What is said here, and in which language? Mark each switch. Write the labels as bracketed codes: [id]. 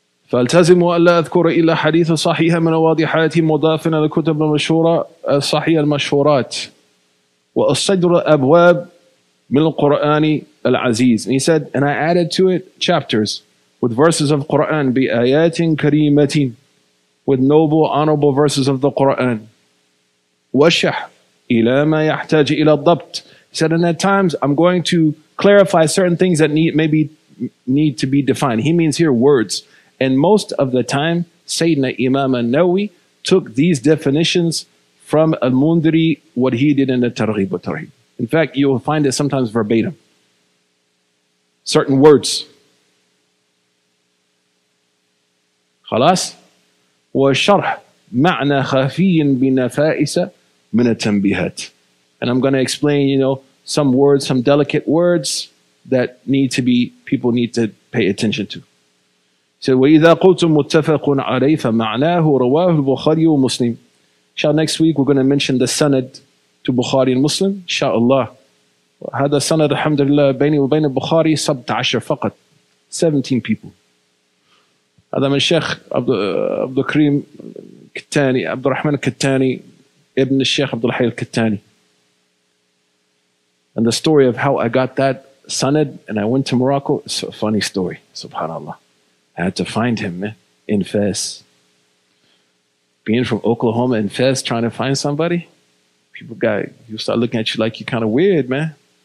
[ar] فالتزم ألا أذكر إلا حديث صحيح من واضحات مضاف إلى الكتب المشهورة الصحيح المشهورات وأصدر أبواب من القرآن العزيز. [en] And he said, and I added to it chapters with verses of Quran, [ar] بآيات كريمة, [en] with noble, honorable verses of the Quran. [ar] وشح إلى ما يحتاج إلى الضبط. [en] He said, and at times I'm going to clarify certain things that need to be defined. He means here words. And most of the time, Sayyidina Imam An-Nawi took these definitions from Al-Mundri, what he did in the Targhib wa Tarhib. In fact, you will find it sometimes verbatim. Certain words. [ar] خلاص؟ وشرح معنى خفي بنفائس من التنبيهات. [en] And I'm going to explain, you know, some words, some delicate words that need to be, people need to pay attention to. So, [ar] وَإِذَا قُلْتُمْ مُتَّفَقٌ عَلَيْهِ فَمَعْنَاهُ رَوَاهُ الْبُخَارِيُ وَمُسْلِمُ. [en] Inshallah, next week we're going to mention the sanad to Bukhari and Muslim, inshallah. [ar] هذا السند الحمد لله بيني وبين البخاري 17 فقط. [en] 17 people. [ar] هذا من الشيخ عبد الكريم كتاني, عبد الرحمن كتاني, ابن الشيخ عبد الحي الكتاني. [en] And the story of how I got that sanad and I went to Morocco, it's a funny story, subhanAllah. I had to find him in Fez. Being from Oklahoma in Fez, trying to find somebody, you start looking at you like you're kind of weird, man.